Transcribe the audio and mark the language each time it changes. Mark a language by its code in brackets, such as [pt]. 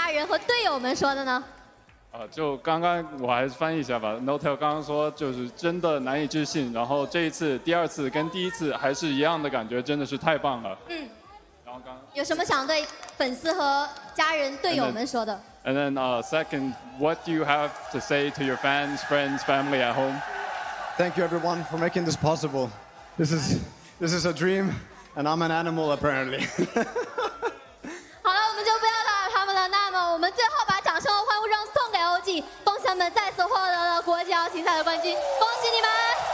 [zh] 好的，那么第二个问题，想问一下Nota，此时此刻有什么想对自己的家人和队友们说的呢？就刚刚我还是翻译一下吧 ，Notel 刚刚说就是真的难以置信，然后这一次第二次跟第一次还是一样的感觉，真的是太棒了。嗯，然后刚有什么想对粉丝和家人队友们说的 [en] ？And then second, what do you have to say to your fans, friends, family at home? Thank you everyone for making this possible. This is a dream, and I'm an animal apparently. [zh] 好了，我们就不要打扰他们了。那么我们最后把掌声和欢呼声送给OG，恭喜他们再次获得了国际奥运锦赛的冠军，恭喜你们！